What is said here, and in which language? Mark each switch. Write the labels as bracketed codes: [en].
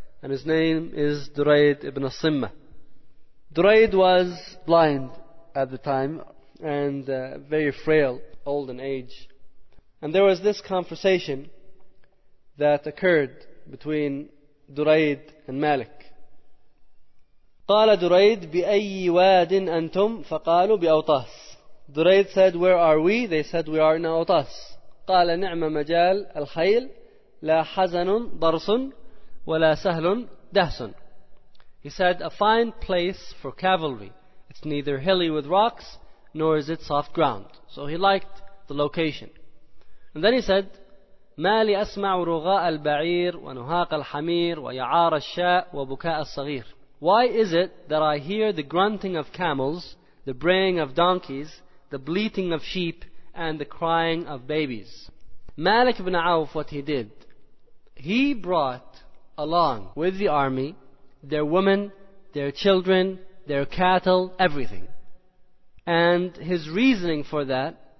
[en] And his name is Durayd ibn Simma. Durayd was blind at the time and very frail, old in age. And there was this conversation that occurred between Durayd and Malik. [ar] قال Durayd بأي واد أنتم فقالوا بأوطاس. [en] Durayd said, where are we? They said, we are in Awtas. [ar] قال نعم مجال الخيل لا حزن ضرس ولا سهل دهس. [en] He said, a fine place for cavalry. It's neither hilly with rocks, nor is it soft ground. So he liked the location. And then he said, [ar] ما لي أسمع رغاء البعير ونهاق الحمير ويعار الشاء وبكاء الصغير. [en] Why is it that I hear the grunting of camels, the braying of donkeys, the bleating of sheep, and the crying of babies? Malik ibn Auf, what he did, he brought along with the army their women, their children, their cattle, everything. And his reasoning for that